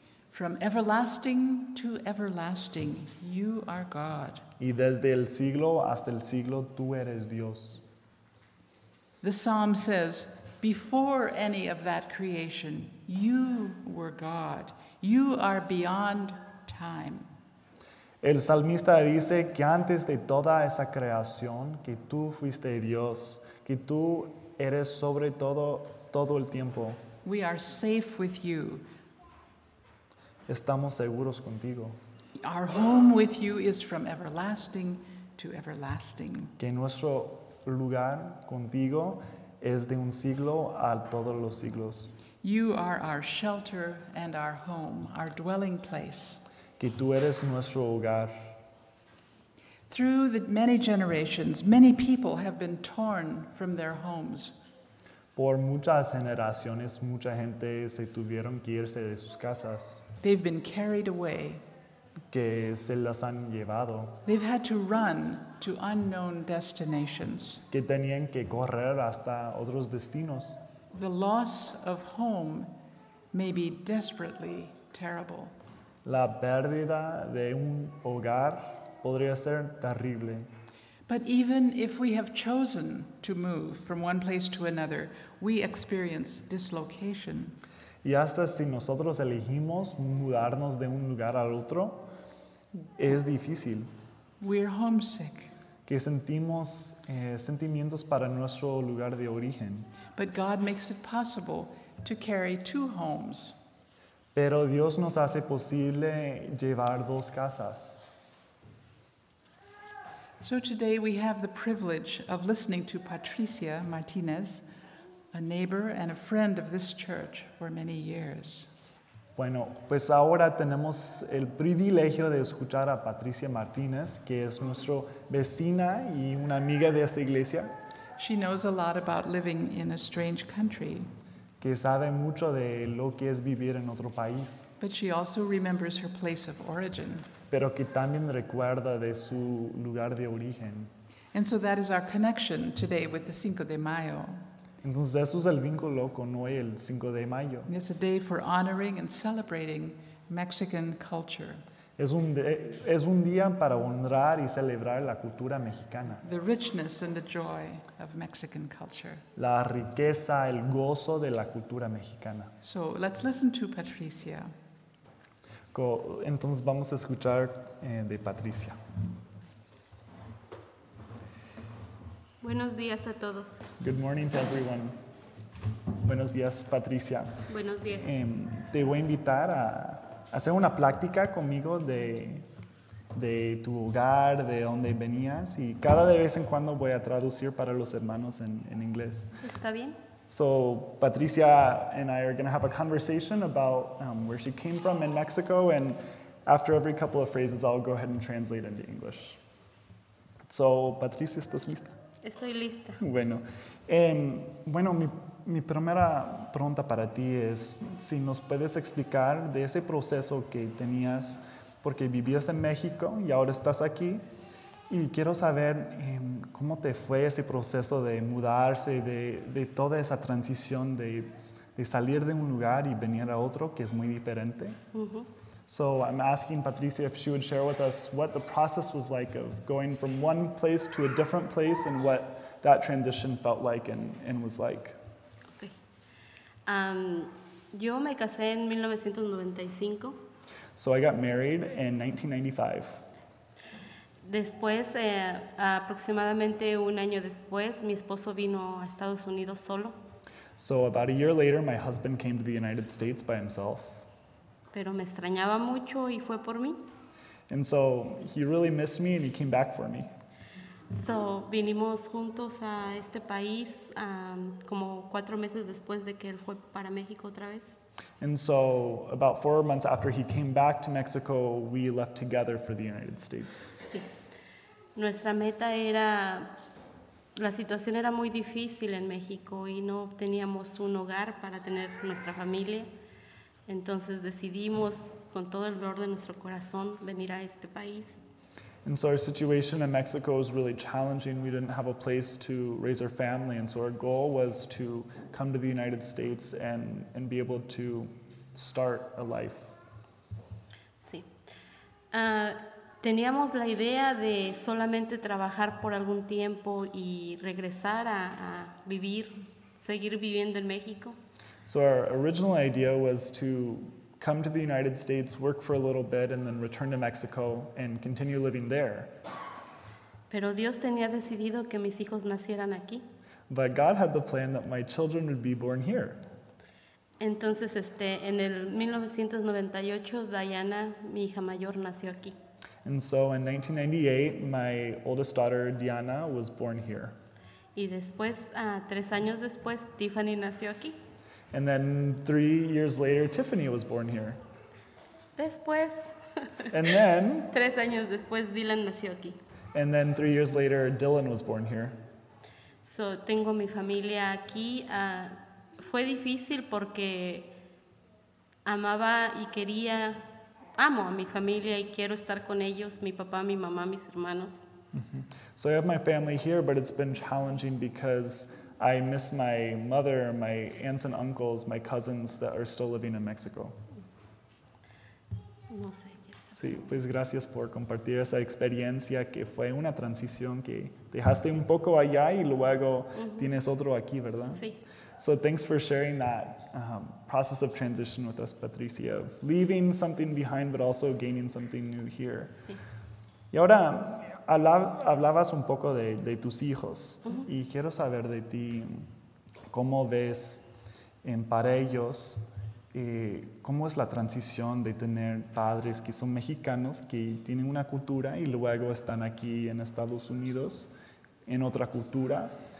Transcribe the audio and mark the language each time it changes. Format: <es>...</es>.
<en>From everlasting to everlasting, you are God.</en> <es>Y desde el siglo hasta el siglo, tú eres Dios.</es> <en>The psalm says, before any of that creation, you were God. You are beyond time.</en> <es>El salmista dice que antes de toda esa creación, que tú fuiste Dios, que tú eres sobre todo, todo el tiempo.</es> <en>We are safe with you.</en> <es>Estamos seguros contigo.</es> <en>Our home with you is from everlasting to everlasting.</en> <es>Que nuestro lugar contigo es de un siglo a todos los siglos.</es> <en>You are our shelter and our home, our dwelling place.</en> <es>Que tú eres nuestro hogar.</es> <en>Through the many generations, many people have been torn from their homes.</en> <es>Por muchas generaciones, mucha gente se tuvieron que irse de sus casas.</es> <en>They've been carried away.</en> <es>Que se las han llevado.</es> <en>They've had to run to unknown destinations.</en> <es>Que tenían que correr hasta otros destinos.</es> <en>The loss of home may be desperately terrible.</en> <es>La pérdida de un hogar podría ser terrible.</es> <en>But even if we have chosen to move from one place to another, we experience dislocation.</en> <es>Y hasta si nosotros elegimos mudarnos de un lugar al otro, es difícil.</es> <en>We're homesick.</en> <es>Que sentimos sentimientos para nuestro lugar de origen.</es> <en>But God makes it possible to carry two homes.</en> <es>Pero Dios nos hace posible llevar dos casas.</es> <en>So today we have the privilege of listening to Patricia Martinez, a neighbor and a friend of this church for many years.</en> <es>Bueno, pues ahora tenemos el privilegio de escuchar a Patricia Martinez, que es nuestra vecina y una amiga de esta iglesia.</es> <en>She knows a lot about living in a strange country.</en> <es>Que sabe mucho de lo que es vivir en otro país.</es> <en>But she also remembers her place of origin.</en> <es>Pero que también recuerda de su lugar de origen.</es> <en>And so that is our connection today with the Cinco de Mayo.</en> <es>Entonces eso es el vínculo con hoy, el Cinco de Mayo.</es> <en>It's a day for honoring and celebrating Mexican culture.</en> <es>Es un día para honrar y celebrar la cultura mexicana.</es> <en>The richness and the joy of Mexican culture.</en> <es>La riqueza, el gozo de la cultura mexicana.</es> <en>So let's listen to Patricia.</en> <es>Entonces vamos a escuchar de Patricia. Buenos días a todos.</es> <en>Good morning to everyone.</en> <es>Buenos días,</es> <en>Patricia.</en> <es>Buenos días. Te voy a invitar a hacer una plática conmigo de tu hogar, de dónde venías, y cada de vez en cuando voy a traducir para los hermanos en inglés. Está bien.</es> <en>So Patricia and I are going to have a conversation about where she came from in Mexico, and after every couple of phrases, I'll go ahead and translate into English.</en> <es>So Patricia, ¿estás lista? Estoy lista. Bueno, mi primera pregunta para ti es si nos puedes explicar de ese proceso que tenías porque vivías en México y ahora estás aquí. Y quiero saber cómo te fue ese proceso de mudarse, de toda esa transición de salir de un lugar y venir a otro que es muy diferente. Uh-huh.</es> <en>So I'm asking Patricia if she would share with us what the process was like of going from one place to a different place and what that transition felt like and was like.</en> <es>Yo me casé en 1995.</es> <en>So I got married in 1995.</en> <es>Después, aproximadamente un año después, mi esposo vino a Estados Unidos solo.</es> <en>So about a year later, my husband came to the United States by himself.</en> <es>Pero me extrañaba mucho y fue por mí.</es> <en>And so he really missed me and he came back for me.</en> <es>So, vinimos juntos a este país como 4 meses después de que él fue para México otra vez.</es> <en>And so, about 4 months after he came back to Mexico, we left together for the United States.</en> <es>Sí. Nuestra meta era, la situación era muy difícil en México y no teníamos un hogar para tener nuestra familia. Entonces decidimos, con todo el dolor de nuestro corazón, venir a este país.</es> <en>And so our situation in Mexico was really challenging. We didn't have a place to raise our family. And so our goal was to come to the United States and be able to start a life.</en> <es>Sí. Teníamos la idea de solamente trabajar por algún tiempo y regresar a vivir, seguir viviendo en México.</es> <en>So our original idea was to come to the United States, work for a little bit, and then return to Mexico and continue living there.</en> <es>Pero Dios tenía decidido que mis hijos nacieran aquí.</es> <en>But God had the plan that my children would be born here.</en> <es>Entonces, en el 1998, Diana, mi hija mayor, nació aquí.</es> <en>And so in 1998, my oldest daughter, Diana, was born here.</en> <es>Y después, 3 años después, Tiffany nació aquí.</es> <en>And then 3 years later, Tiffany was born here.</en> <es>Después.</es> <en>And then.</en> <es>3 años después, Dylan nació aquí.</es> <en>And then 3 years later, Dylan was born here.</en> <es>So tengo mi familia aquí. Fue difícil porque amaba y quería, amo a mi familia y quiero estar con ellos, mi papá, mi mamá, mis hermanos. Mm-hmm.</es> <en>So I have my family here, but it's been challenging because I miss my mother, my aunts and uncles, my cousins that are still living in Mexico.</en> <es>No sé. Sí, pues gracias por compartir esa experiencia que fue una transición que dejaste un poco allá y luego tienes otro aquí, ¿verdad? Sí.</es> <en>So thanks for sharing that process of transition with us, Patricia, of leaving something behind but also gaining something new here.</en> <es>Sí. Y ahora hablabas un poco de tus hijos y quiero saber de ti cómo ves para ellos cómo es la transición de tener padres que son mexicanos, que tienen una cultura y luego están aquí en Estados Unidos en otra cultura.</es>